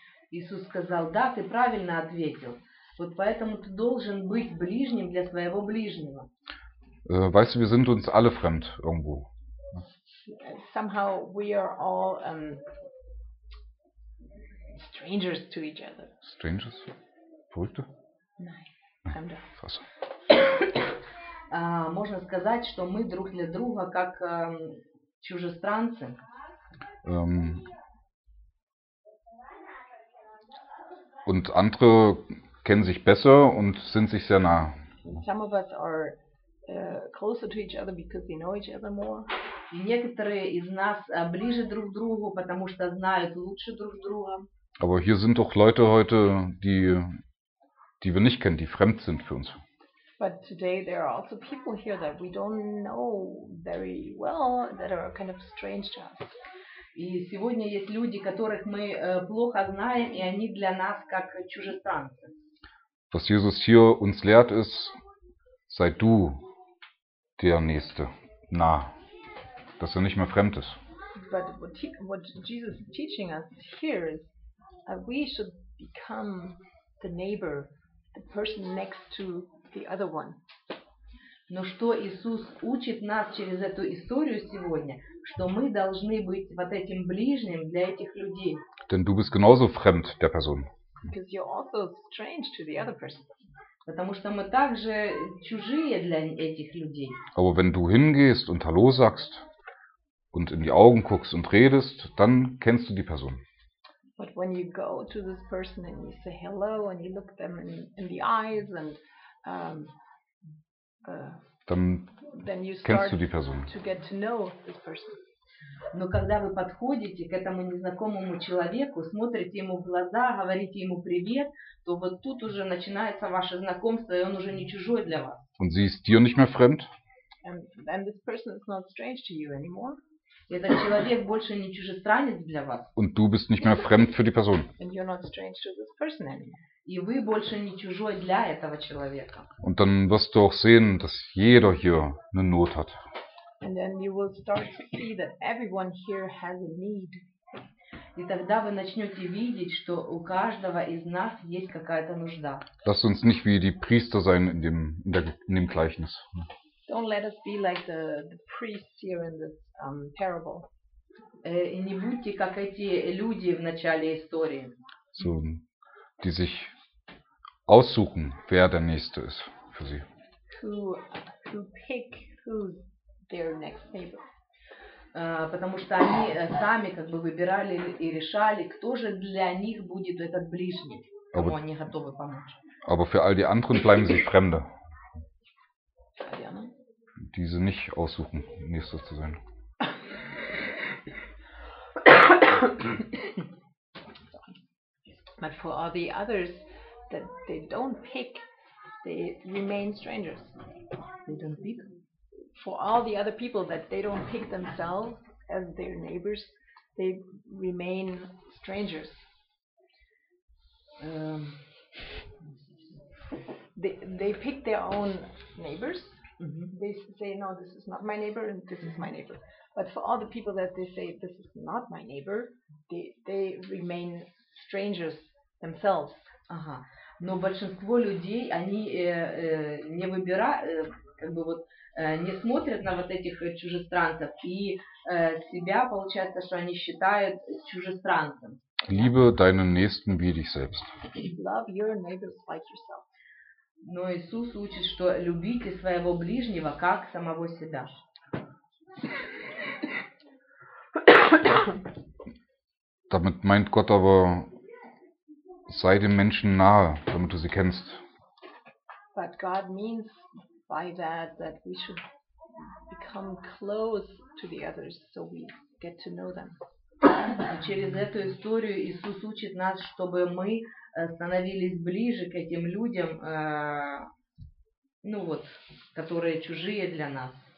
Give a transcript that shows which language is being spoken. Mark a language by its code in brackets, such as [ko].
[ru] Иисус сказал, да, ты правильно ответил. Вот поэтому ты должен быть ближним для своего ближнего. [de] Weißt du, wir sind uns alle fremd irgendwo. [en] Somehow we are all strangers to each other. [de] Strangers? Verrückte? Nein, fremde. Was? [ru] Можно сказать, что мы друг для друга как чужестранцы. [de] Und andere kennen sich besser und sind sich sehr nah. [en] Some of us are closer to each other because we know each other more. [ru] И некоторые из нас ближе друг к другу, потому что знают лучше друг друга. [de] Aber hier sind doch Leute heute, die wir nicht kennen, die fremd sind für uns. [en] But today there are also people here that we don't know very well that are kind of strange to us. [ru] И сегодня есть люди, которых мы плохо знаем, и они для нас как чужестранцы. [de] Was Jesus hier uns lehrt ist, sei du der Nächste, nah, dass er nicht mehr fremd ist. [en] But what Jesus is teaching us here is that we should become the neighbor, the person next to the other one. [ru] Но что Иисус учит нас через эту историю сегодня, что мы должны быть вот этим ближним для этих людей. [de] Denn du bist genauso fremd der Person. [en] Because you're also strange to the other person. [ru] Потому что мы также чужие для этих людей. [de] Aber wenn du hingehst und Hallo sagst und in die Augen guckst und redest, dann kennst du die Person. [en] But when you go to this person and you say hello and you look them in the eyes and [de] Dann kennst du die Person. [en] To get to know this person. [ru] Но когда вы подходите к этому незнакомому человеку, смотрите ему в глаза, говорите ему привет, то вот тут уже начинается ваше знакомство, и он уже не чужой для вас. [de] Und sie ist dir nicht mehr fremd? [en] And then this person is not strange to you anymore. [ru] Этот человек больше не чужестранец для вас. [de] Und du bist nicht mehr fremd für die Person. [en] And you're not strange to this person anymore. [ru] И вы больше не чужой для этого человека. [de] Und dann wirst du auch sehen, dass jeder hier eine Not hat. [en] And then you will start to see that everyone here has a need. [ru] И тогда вы начнете видеть, что у каждого из нас есть какая-то нужда. [de] Lass uns nicht wie die Priester sein in dem Gleichnis. [en] Don't let us be like the priests here in this parable. [ru] И не будьте как эти люди в начале истории. [de] So. Die sich aussuchen, wer der Nächste ist für sie. [en] Who pick who's their next neighbor. [ru] Потому что они сами как бы выбирали и решали, кто же для них будет этот ближний, кому они готовы помочь. [de] Aber für all die anderen bleiben sie Fremde. Die sie nicht aussuchen, Nächster zu sein. [en] But for all the others that they don't pick, they remain strangers. They don't pick? For all the other people that they don't pick themselves as their neighbors, they remain strangers. They pick their own neighbors. Mm-hmm. They say, no, this is not my neighbor, and this is my neighbor. But for all the people that they say, this is not my neighbor, they remain strangers. Themselves. [ru] Ага. Но большинство людей, они не выбирают, как бы вот не смотрят на вот этих чужестранцев и себя, получается, что они считают чужестранцем. [de] Liebe deinen Nächsten wie dich selbst. [en] Love your neighbors like yourself. [ru] Но Иисус учит, что любите своего ближнего как самого себя. [de] Damit meint Gott aber, sei dem Menschen nahe, damit du sie kennst. [en] But God means by that that we should become close to the others, so we get to know them. [ru] Через эту историю Иисус учит нас, чтобы мы становились ближе к этим людям, ну вот, которые чужие для нас.